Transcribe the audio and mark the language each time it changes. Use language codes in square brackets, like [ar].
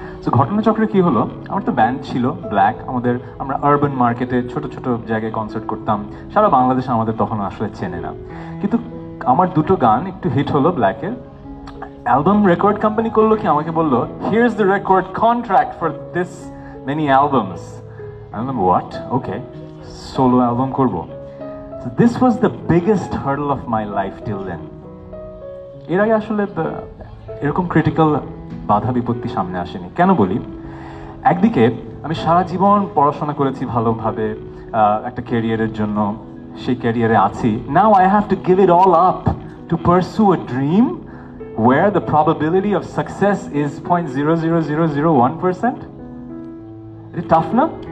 [bn] So ঘটনাচক্রে কী হলো, আমার তো ব্যান্ড ছিল ব্ল্যাক, আমাদের, আমরা আরবান মার্কেটে ছোটো ছোটো জায়গায় কনসার্ট করতাম, সারা বাংলাদেশ আমাদের তখন আসলে চেনে না। কিন্তু আমার দুটো গান একটু হিট হলো ব্ল্যাকের, অ্যালবাম রেকর্ড কোম্পানি করলো কি আমাকে, বললো [en] Here is the record contract for this many albums. [bn] I বললাম হোয়াট, ওকে, সোলো অ্যালবাম করবো। [en] So this was the biggest hurdle of my life till then. [bn] এর আগে আসলে এরকম ক্রিটিক্যাল বাধা বিপত্তি সামনে আসেনি। কেন বলি, একদিকে আমি সারা জীবন পড়াশোনা করেছি ভালোভাবে একটা ক্যারিয়ারের জন্য, সেই ক্যারিয়ারে আছি। [en] Now I have to give it all up to পারস্যু a dream wire the probability of success is 0.00001%। [bn] এটা টাফ না?